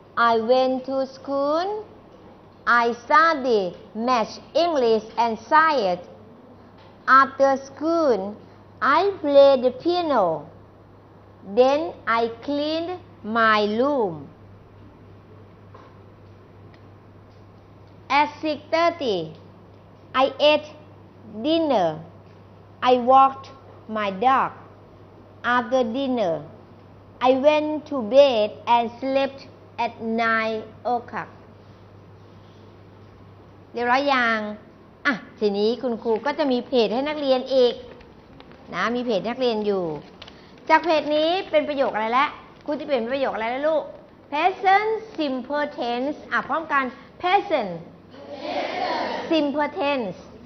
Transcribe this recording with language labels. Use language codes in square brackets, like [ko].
[en] I went to school I studied math English and science after school I played the piano then I cleaned my room at 6:30I ate dinner. I walked my dog. After dinner, I went to bed and slept at 9 o'clock. [th] เรียบร้อยยังอ่ะทีนี้คุณครูก็จะมีเพจให้นักเรียนอีกนะมีเพจนักเรียนอยู่จากเพจนี้เป็นประโยคอะไรแล้วครูจะเปลี่ยนประโยคอะไรแล้วลูก Present simple tense อ่ะพร้อมกัน Present Simple tense.